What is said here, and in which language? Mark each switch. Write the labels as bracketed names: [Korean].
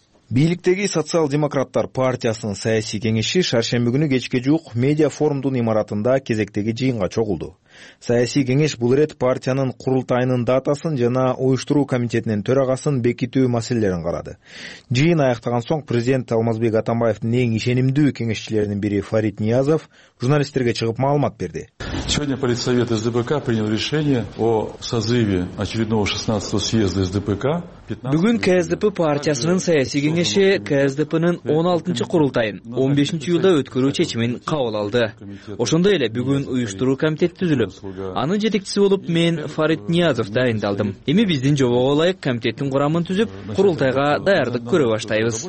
[Kyrgyz] Бийликтеги социал-демократтар партиясынын саясий кеңеши шаршемби күнү кечке жуук медиа форумдун имаратында кезектеги жыйынга чогулду. Саясий кеңеш бул ирет партиянын курултайынын датасын жана уюштуруу комитетинин төрагасын бекитүү маселелерин карады. Жыйын аяктаган соң президент Алмазбек Атамбаевдин эң ишенимдүү кеңешчилеринин бири Фарид Ниязов журналисттерге чыгып маалымат берди. [Russian] Сегодня политсовет СДПК принял решение о созыве очередного 16-го съезда СДПК. [Kyrgyz] Бүгүн КСДП партиясынын саясий кеңеши КСДПнын 16-чы курултайын 15-чи июлда өткөрүү чечимин кабыл алды. Ошондой эле бүгүн уюштуруу комитет түзүлүп, анын жетекчиси болуп мен Фарид Ниязов дайындалдым. Эми биздин жобого ылайык комитеттин курамын түзүп, курултайга даярдык көрө баштайбыз.